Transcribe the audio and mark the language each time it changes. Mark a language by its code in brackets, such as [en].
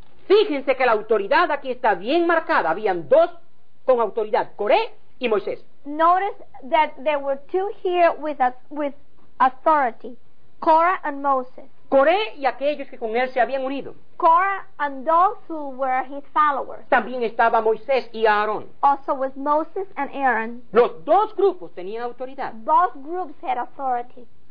[es] Fíjense que la autoridad aquí está bien marcada. Habían dos con autoridad, Coré y Moisés. [en] Notice that there were two here with authority, Korah and Moses. [es] Coré y aquellos que con él se habían unido. [en] Korah and those who were his followers. [es] También estaba Moisés y Aarón. [en] Also with Moses and Aaron. [es] Los dos grupos tenían autoridad. [en] Both groups had authority.